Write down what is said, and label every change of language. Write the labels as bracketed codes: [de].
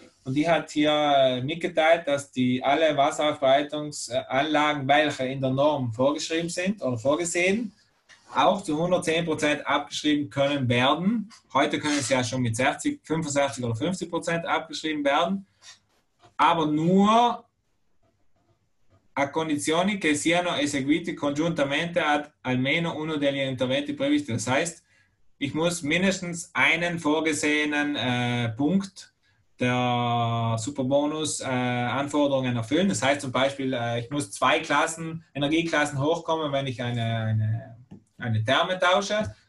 [de] Und die hat hier mitgeteilt, dass alle Wasseraufbereitungsanlagen, welche in der Norm vorgeschrieben sind oder vorgesehen, auch zu 110% abgeschrieben können werden. Heute können sie ja schon mit 60, 65 oder 50% abgeschrieben werden. Aber nur [it] a condizioni che siano eseguiti congiuntamente ad almeno uno degli interventi previsti. [de] Das heißt, ich muss mindestens einen vorgesehenen Punkt der Superbonus-Anforderungen erfüllen. Das heißt zum Beispiel, ich muss zwei Klassen, Energieklassen hochkommen, wenn ich eine Therme tausche.